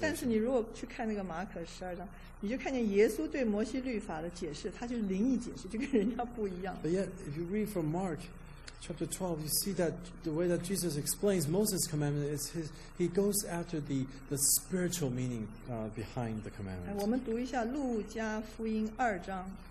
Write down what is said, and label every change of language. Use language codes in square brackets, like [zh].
[zh] 但是你如果去看那个马可十二章，你就看见耶稣对摩西律法的解释，他就是灵异解释，就跟人家不一样。 [en] But yet, if you read from Mark chapter 12, you see that the way that Jesus explains Moses' commandment is he goes after the spiritual meaning behind the commandment. [zh] 我们读一下路加福音二章。